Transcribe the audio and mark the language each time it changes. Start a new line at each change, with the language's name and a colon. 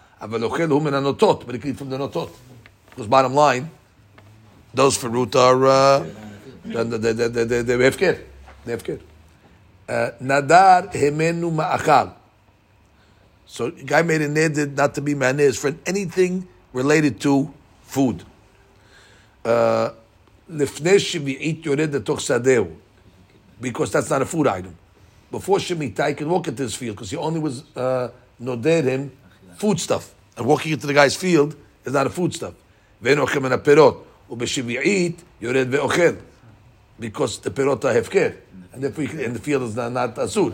Hebrew: אבל אוכל הוא מן הנוטות,
English: but it came from the נוטות. Because bottom line, those fruit are, they're הפקר.
Hebrew: נדר המנו מאכל.
English: So the guy made a neder not to be מענה, his friend, anything related to food.
Hebrew: לפני שביעית יורד לתוך שדהו,
English: because that's not a food item. Before שמיטה, he could walk into his field, because he only was נודד him food stuff. And walking into the guy's field is not a foodstuff.
Hebrew: Ve'en ochel min ha'perot. U'beshivi'it yored ve'ochel.
English: Because the perot are hefker. And therefore, in the field is not asur.